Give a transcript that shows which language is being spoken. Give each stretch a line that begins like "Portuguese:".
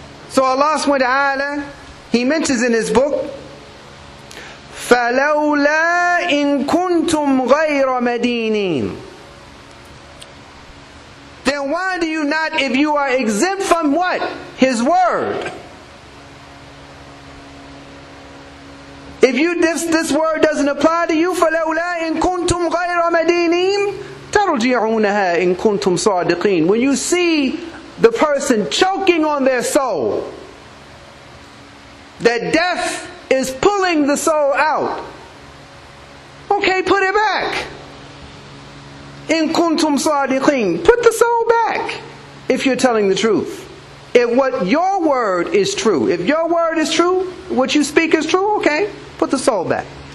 English: So Allah subhanahu wa ta'ala, He mentions in His book,
Arabic: فَلَوْلَا إِن كُنْتُمْ غَيْرَ مَدِينِينَ.
English: Then why do you not, if you are exempt from what? His word. If you this word doesn't apply to you,
Arabic: فَلَوْلَا إِن كُنْتُمْ غَيْرَ مَدِينِينَ تَرْجِعُونَهَا إِن كُنْتُمْ صَادِقِينَ.
English: When you see the person choking on their soul, that death is pulling the soul out. Okay, put it back.
Arabic: In kuntum sadiqin.
English: Put the soul back if you're telling the truth. If what your word is true, if your word is true, what you speak is true, okay, put the soul back.